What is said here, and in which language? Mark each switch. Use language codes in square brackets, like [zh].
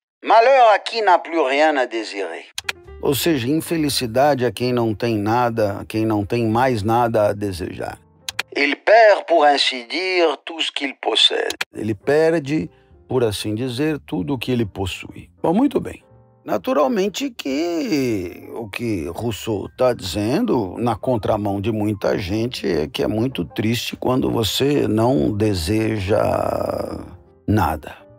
[fr] Malheur à qui n'a plus rien à désirer. [pt] Ou seja, infelicidade a quem não tem nada, a quem não tem mais nada a desejar. [fr] Il perd, pour ainsi dire, tout ce qu'il possède. [pt] Ele perde, por assim dizer, tudo o que ele possui. Bom, muito bem. Naturalmente que o que Rousseau está dizendo, na contramão de muita gente, é que é muito triste quando você não deseja nada.